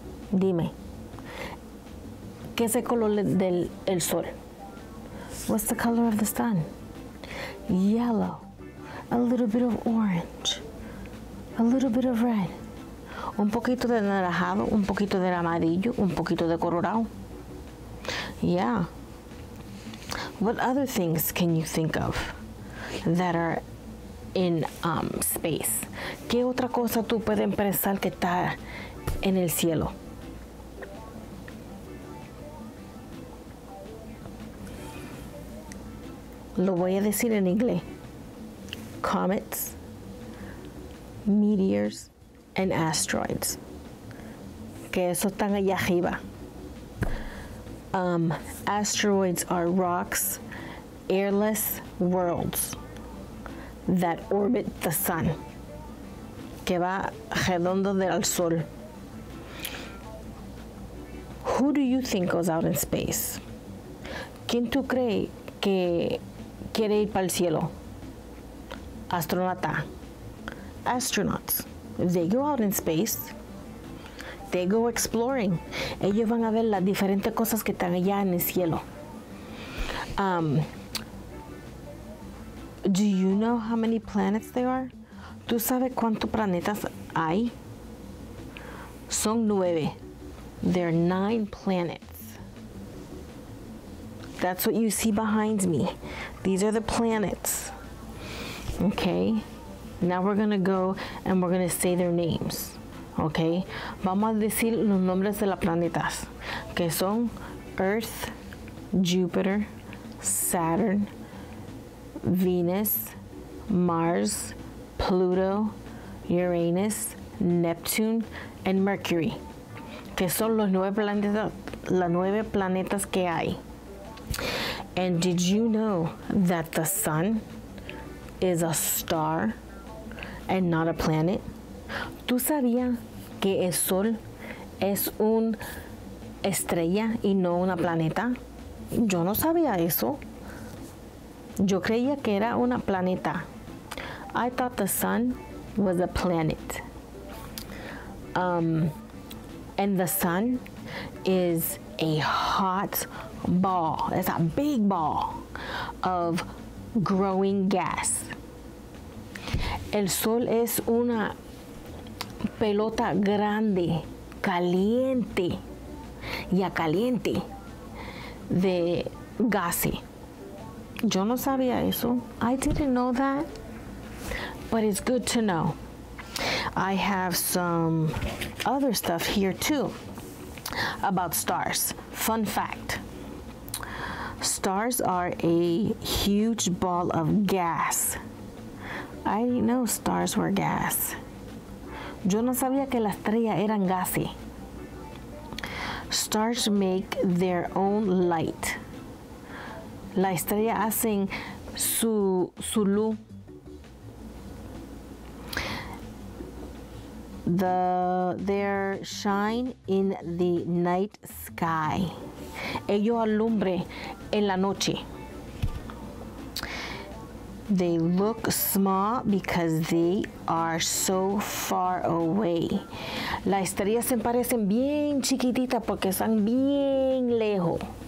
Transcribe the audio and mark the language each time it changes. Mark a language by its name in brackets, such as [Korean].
[Spanish] Dime. ¿Qué es el color del el sol? [English] What's the color of the sun? Yellow. A little bit of orange. A little bit of red. [Spanish] Un poquito de naranjado, un poquito de amarillo, un poquito de colorado. [English] Yeah. What other things can you think of that are in space? [Spanish] ¿Qué otra cosa tú puedes pensar que está en el cielo? Lo voy a decir en inglés. [English] Comets, meteors, and asteroids. [Spanish] Que eso están allá arriba. [English] Asteroids are rocks, airless worlds that orbit the sun. [Spanish] Que va redondo del sol. [English] Who do you think goes out in space? [Spanish] ¿Quién tú crees que quiere ir para el cielo? [English] Astronauta. Astronauts. They go out in space. They go exploring. [Spanish] Ellos van a ver las diferentes cosas que están allá en el cielo. [English] Do you know how many planets there are? [Spanish] ¿Tú sabes cuántos planetas hay? Son 9. [English] There are 9 planets. That's what you see behind me. These are the planets. Okay. Now we're going to go and we're going to say their names. [Spanish] Okay, vamos a decir los nombres de las planetas, que son Earth, Jupiter, Saturn, Venus, Mars, Pluto, Uranus, Neptune, and Mercury, que son los 9 planetas, las 9 planetas que hay. [English] And did you know that the sun is a star and not a planet? [Spanish] ¿Tú sabías que el sol es una estrella y no una planeta? Yo no sabía eso. Yo creía que era una planeta. [English] I thought the sun was a planet. And the sun is a hot ball. It's a big ball of growing gas. [Spanish] El sol es una pelota grande, caliente, ya caliente, de gas. Yo no sabía eso. [English] I didn't know that, but it's good to know. I have some other stuff here too about stars. Fun fact. Stars are a huge ball of gas. I didn't know stars were gas. [Spanish] Yo no sabía que las estrellas eran gases. [English] Stars make their own light. [Spanish] La estrella hacen su luz. [English] Their shine in the night sky. [Spanish] Ellos alumbre en la noche. [English] They look small because they are so far away. [Spanish] Las estrellas se parecen bien chiquititas porque están bien lejos.